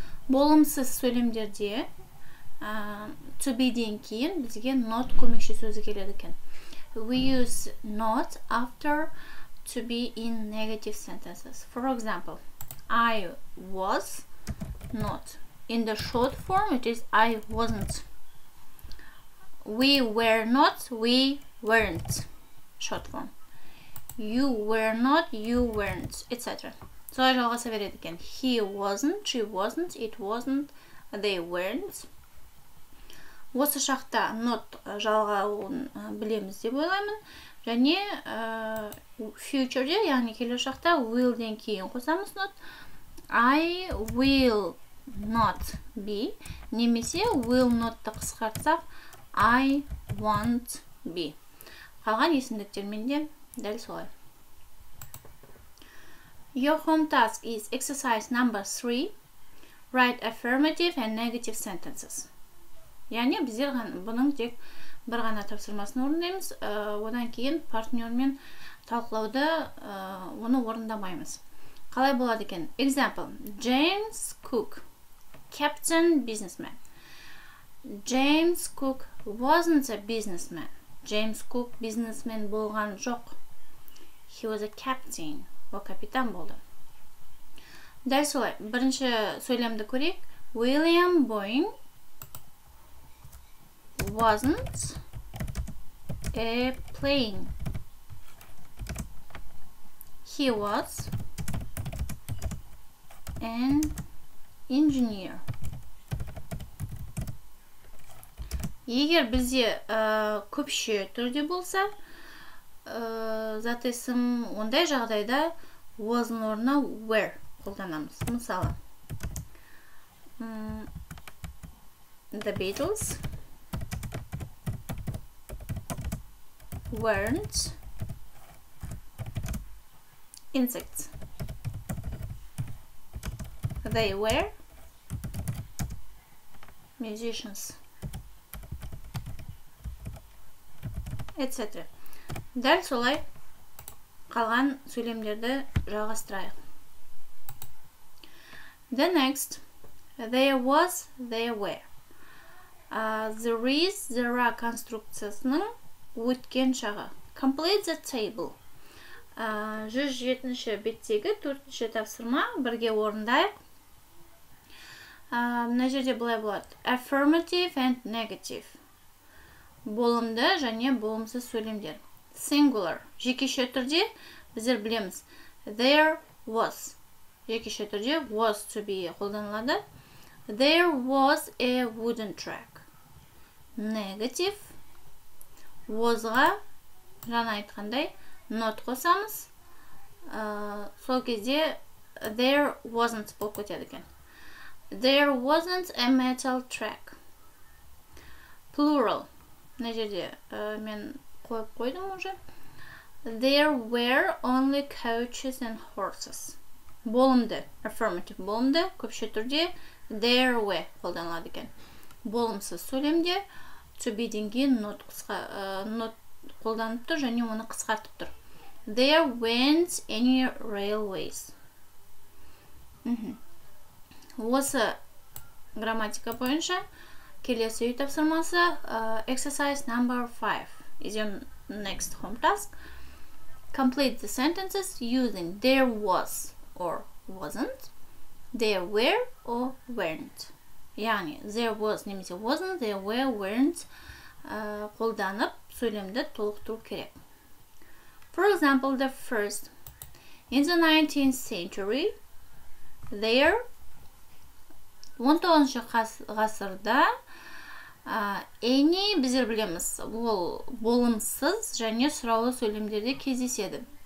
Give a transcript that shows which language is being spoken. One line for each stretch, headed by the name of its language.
Kazakh: Болымсыз сөйлемдерде to be деген кейін бізге not көмекші сөзі келеді екен.
English: We use not after to be in negative sentences. For example, I was not. In the short form it is I wasn't. We were not, we weren't. Short form. You were not, you weren't, etc.
Kazakh: Солай жалғаса береді екен.
English: He wasn't, she wasn't, it wasn't, they weren't.
Kazakh: Осы шақта not жалғауын білеміз деп ойлаймын. Және future-де, яғни келер шақта will-ден кейін қосамыз not.
English: I will not be.
Kazakh: Немесе will not-ты қысқартсақ I won't be. Қалған есімдіктермен де дәл солай.
English: Your home task is exercise number 3. Write affirmative and negative sentences.
Kazakh: Яғни біздер бұның тек бір ғана тапсырмасын орындаймыз, одан кейін партнермен талқылауды оны орындамаймыз. Қалай болады екен?
English: Example, James Cook, captain businessman. James Cook wasn't a businessman. James Cook businessman
Kazakh: болған жоқ.
English: He was a captain.
Kazakh: Ол капитан болды. Дәл солай, бірінші сөйлемді көрейік.
English: William Boeing wasn't a plane. He was an engineer.
Kazakh: Егер бізде көпше түрде болса, зат есім ондай жағдайда was-ның орнына were қолданамыз. Мысалы,
English: the Beatles weren't insects. They were musicians, etc.
Kazakh: Дәл солай қалған сөйлемдерді жалғастырайық.
English: The next, there was, there were. There is, there are конструкциясының өткен шағы. Complete the table.
Kazakh: 107-ші беттегі 4-ші тапсырма бірге орындайық. Мына жерде былай болады.
English: Affirmative and negative.
Kazakh: Болымды және болымсыз сөйлемдер.
English: Singular.
Kazakh: Жекеше түрде біздер білеміз.
English: There was.
Kazakh: Жекеше түрде
English: was to be
Kazakh: қолданылады.
English: There was a wooden track. Negative.
Kazakh: Was-ға жаңа айтқандай not қосамыз. Сол кезде there wasn't болып кетеді екен.
English: There wasn't a metal track. Plural.
Kazakh: Мына жерде мен қойып қойдым уже.
English: There were only coaches and horses.
Kazakh: Болымды.
English: Affirmative
Kazakh: болымды. Көпше түрде there were қолданылады екен. Болымсыз сөйлемде to be деген not қысқа not қолданып тұр және оны қысқартып тұр.
English: There weren't any railways.
Kazakh: Осы грамматика бойынша келесі үй тапсырмасы
English: exercise number 5 is your next home task. Complete the sentences using there was or wasn't, there were or weren't.
Kazakh: Яғни there was немесе wasn't, there were, weren't қолданып сөйлемді толықтыру керек.
English: For example, the first. In the 19th century, there
Kazakh: 19-ші ғасырда any біздер білеміз, ол болымсыз және сұраулы сөйлемдерде кездеседі.